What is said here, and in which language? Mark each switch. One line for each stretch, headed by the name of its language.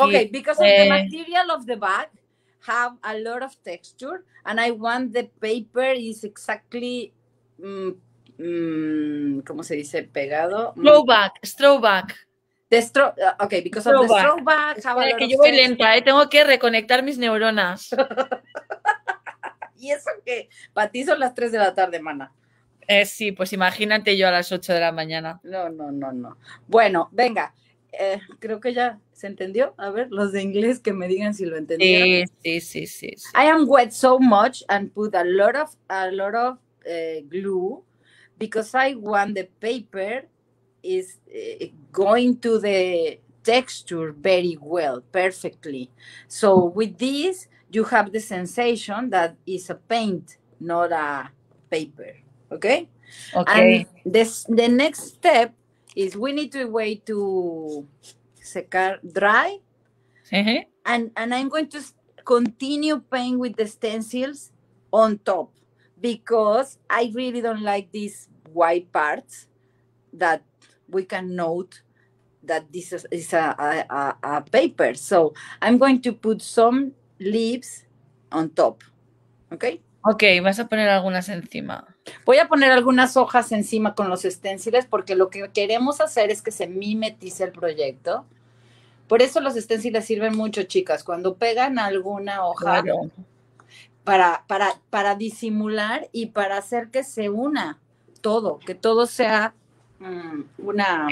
English: Okay, because of the material of the bag have a lot of texture and I want the paper is exactly
Spanish: ¿cómo se dice? Pegado.
English: Throwback. The straw, okay, because of the straw bag.
Spanish: Espera, que yo voy lenta, tengo que reconectar mis neuronas. ¿Y eso qué? Para ti son las 3 de la tarde, mana. Sí, pues imagínate yo a las 8 de la mañana. No. Bueno, venga, creo que ya se entendió. A ver, los de inglés que me digan si lo entendieron. Sí.
English: I am wet so much and put a lot of glue because I want the paper is going to the texture very well, perfectly. So with this, you have the sensation that it's a paint, not a paper, okay? Okay. And the next step is we need to wait to secar dry. Uh-huh. And I'm going to continue painting with the stencils on top because I really don't like these white parts that we can note that this is a paper. So I'm going to put some leaves on top. Okay?
Spanish: Okay, vas a poner algunas encima. Voy a poner algunas hojas encima con los stencils porque lo que queremos hacer es que se mimetice el proyecto. Por eso los stencils sirven mucho, chicas. Cuando pegan alguna hoja, claro, para disimular y para hacer que se una todo, que todo sea una...